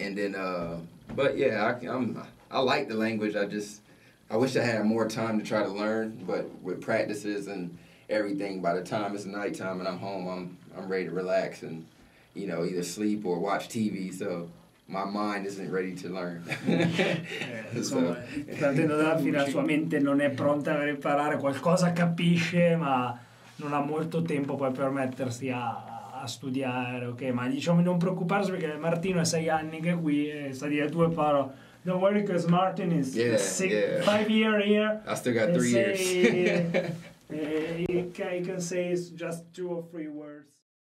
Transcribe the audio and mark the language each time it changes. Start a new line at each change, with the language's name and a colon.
English: And then but yeah, I like the language. I wish I had more time to try to learn, but with practices and everything, by the time it's nighttime and I'm home, I'm ready to relax and, either sleep or watch TV, so my mind isn't ready to learn.
Italian: Insomma,
English: So
Italian: partendo dalla fine, la sua mente non è pronta per imparare qualcosa, capisce, ma non ha molto tempo poi per mettersi a studiare, ok? Ma diciamo non preoccuparsi perché Martino è 6 anni che è qui e sa dire due parole.
English: Don't worry, because Martin is six, yeah. 5 year here I still got and 3 years. say, I can say it's just two or three words.